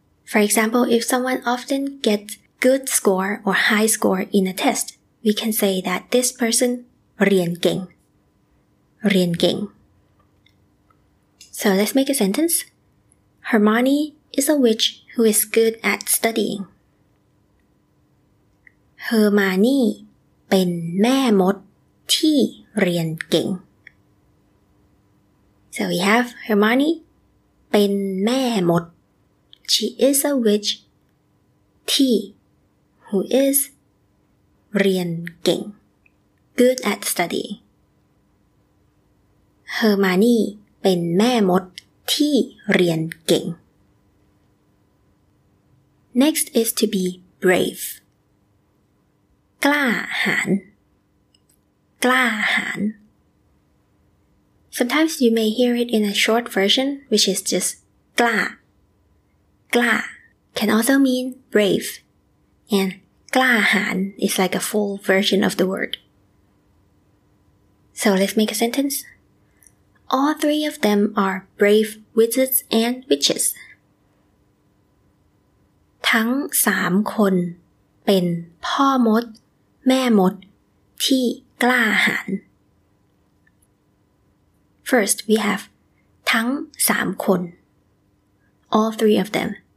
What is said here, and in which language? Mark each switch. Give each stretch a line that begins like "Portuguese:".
English: For example, if someone often gets good score or high score in a test, we can say that this person
Thai: เรียนเก่ง เรียนเก่ง
English: So let's make a sentence. Hermione is a witch who is good at studying.
Thai: Hermione เป็นแม่มดที่เรียนเก่ง
English: So we have Hermione เ
Thai: ป็นแม่มด
English: She is a witch, T, who is
Thai: เรียนเก่ง
English: good at studying.
Thai: Hermione เป็นแม่มดที่เรียนเก่ง
English: Next is to be brave.
Thai: กล้าหาญกล้าหาญ
English: Sometimes you may hear it in a short version, which is just กล้าก
Thai: ล้า
English: can also mean brave and กล้าหาญ is like a full version of the word so let's make a sentence all three of them are brave wizards and witches
Thai: ทั้งสามคนเป็นพ่อมดแม่มดที่กล้าหาญ
English: first we have
Thai: ทั้งสามคน
English: all three of them